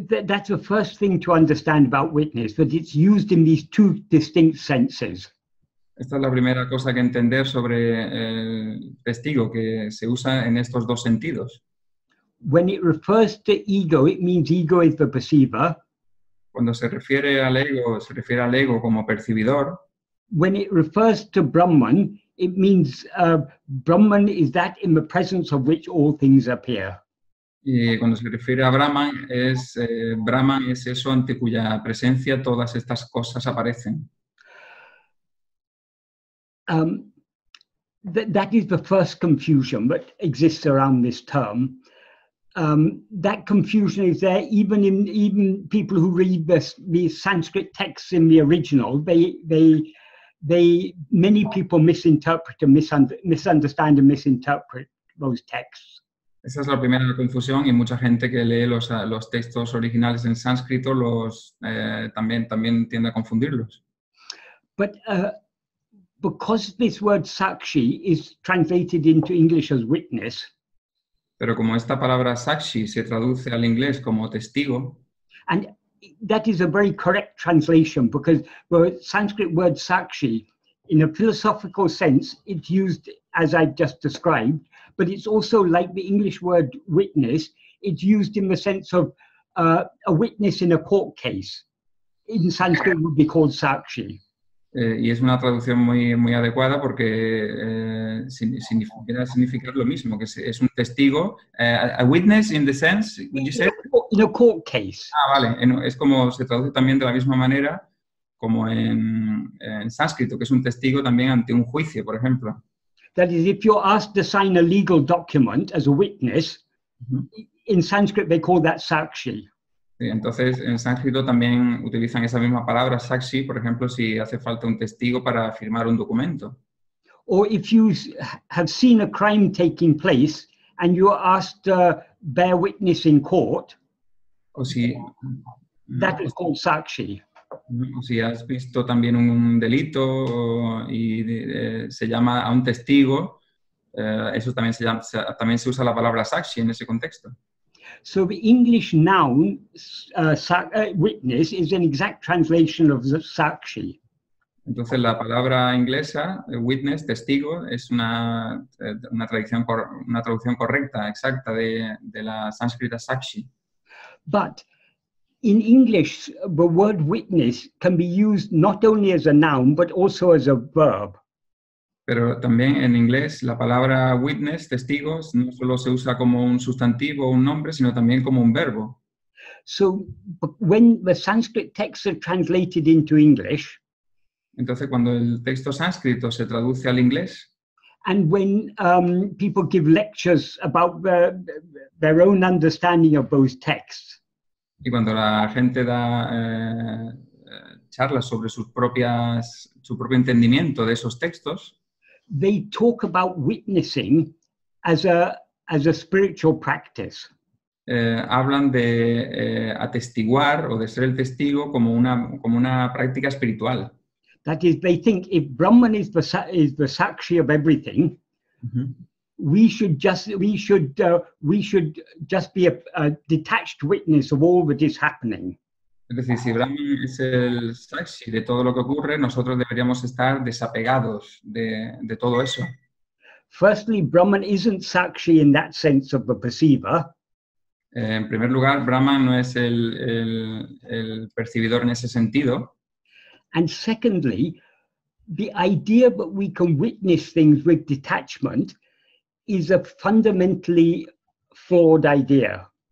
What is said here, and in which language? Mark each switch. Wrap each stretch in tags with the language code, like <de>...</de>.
<en>That's the first thing to understand about witness, that it's used in these two distinct senses.</en> <es>Esta es la primera cosa que entender sobre el testigo, que se usa en estos dos sentidos.</es> <en>When it refers to ego, it means ego is the perceiver.</en> <es>Cuando se refiere al ego como percibidor.</es> <en>When it refers to Brahman, it means Brahman is that in the presence of which all things appear.</en> <es>Y cuando se refiere a Brahman, es Brahman es eso ante cuya presencia todas estas cosas aparecen.</es> <en>That is the first confusion that exists around this term. That confusion is there even people who read the Sanskrit texts in the original. Many people misinterpret and misunderstand and misinterpret those texts.</en> <es>Esa es la primera confusión y mucha gente que lee los textos originales en sánscrito también tiende a confundirlos.</es> <en>But because this word sakshi is translated into English as witness.</en> <es>Pero como esta palabra sakshi se traduce al inglés como testigo.</es> <en>And that is a very correct translation because the Sanskrit word sakshi, in a philosophical sense, it's used as I just described. But it's also like the English word witness, it's used in the sense of a witness in a court case. In Sanskrit, it would be called sakshi.</en> <es>Y es una traducción muy, muy adecuada porque significa significar lo mismo, que es un testigo.</es> <en>A witness in the sense, would you say? In a court case.</en> <es>Ah, vale. Es como se traduce también de la misma manera como en sánscrito, que es un testigo también ante un juicio, por ejemplo.</es> <en>That is, if you're asked to sign a legal document as a witness, mm-hmm. In Sanskrit they call that sakshi.</en> <es>Sí, entonces en sánscrito también utilizan esa misma palabra sakshi, por ejemplo, si hace falta un testigo para firmar un documento.</es> <en>Or if you have seen a crime taking place and you're asked to bear witness in court, that is called sakshi.</en> <es>O si has visto también un delito y se llama a un testigo, eso también se usa la palabra sakshi en ese contexto.</es> <en>So the English noun witness is an exact translation of the sakshi.</en> <es>Entonces la palabra inglesa witness, testigo, es una traducción correcta, exacta de la sánscrita sakshi.</es> <en>But in English, the word witness can be used not only as a noun, but also as a verb.</en> <es>Pero también en inglés, la palabra witness, testigos, no solo se usa como un sustantivo o un nombre, sino también como un verbo.</es> <en>So, when the Sanskrit texts are translated into English,</en> <es>entonces cuando el texto sánscrito se traduce al inglés,</es> <en>and when people give lectures about their own understanding of those texts,</en> <es>y cuando la gente da charlas sobre su propio entendimiento de esos textos,</es> <en>they talk about witnessing as a spiritual practice.</en> <es>Hablan de atestiguar o de ser el testigo como una práctica espiritual.</es> <en>That is, they think if Brahman is the sakshi of everything, mm-hmm. We should just be a detached witness of all that is happening.</en> <es>Es decir, si Brahman es el sakshi de todo lo que ocurre, nosotros deberíamos estar desapegados de todo eso.</es> <en>Firstly, Brahman isn't sakshi in that sense of the perceiver.</en> <es>En primer lugar, Brahman no es el percibidor en ese sentido.</es> <en>And secondly, the idea that we can witness things with detachment is a fundamentally flawed idea.</en>